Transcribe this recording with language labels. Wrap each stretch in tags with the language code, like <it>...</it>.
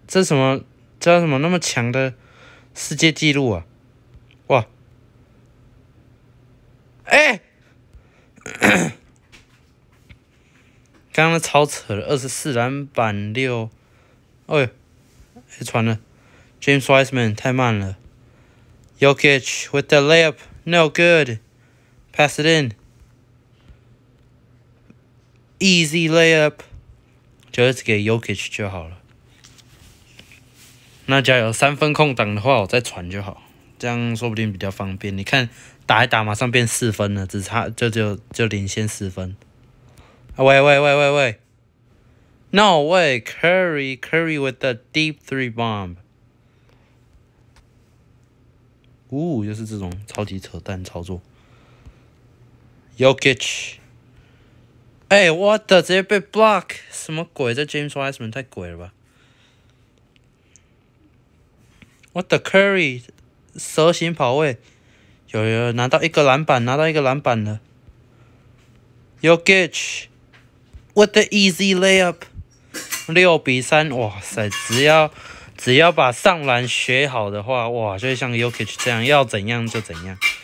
<zh>这什么叫什么那么强的世界纪录啊？哇！哎，刚刚超扯了，24篮板6，哎，还传了 James Wiseman 太慢了。</zh> <en>Jokic with the layup, no good. Pass it in. Easy layup.</en> <zh>就是给 Jokic 就好了。那假如有三分空档的话，我再传就好，这样说不定比较方便。你看，打一打马上变四分了，只差就领先四分。</zh> <en>喂 ，No way, Curry with the deep three bomb.</en> <zh>哦，又是这种超级扯淡操作。 Jokic， 哎 ，</zh> <en>what the，</en> <zh>直接被 block， 什么鬼？这 James Wiseman 太鬼了吧 ？</zh> <en>What the Curry，</en> <zh>蛇形跑位，有拿到一个篮板，拿到一个篮板了。 Jokic，</zh> <en>what the easy layup，</en> <zh>6-3，哇塞，只要把上篮学好的话，哇，就会像 Jokic 这样，要怎样就怎样。</zh>